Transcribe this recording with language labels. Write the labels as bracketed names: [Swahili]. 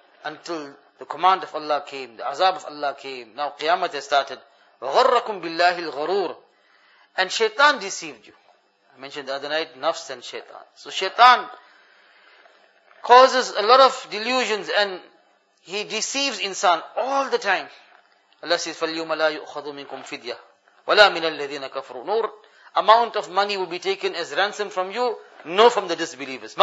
[English] Until the command of Allah came, the azab of Allah came. Now Qiyamah has started. [Arabic] وَغَرَّكُمْ بِاللَّهِ الْغَرُورِ. [English] And Shaitan deceived you. I mentioned the other night, nafs and Shaitan. So Shaitan causes a lot of delusions and he deceives insan all the time. Allah says, [Arabic] فَالْيُومَ لَا يُؤْخَذُ مِنْكُمْ فِدْيَةٌ وَلَا مِنَ الَّذِينَ كَفْرُوا. [English] No amount of money will be taken as ransom from you, nor from the disbelievers.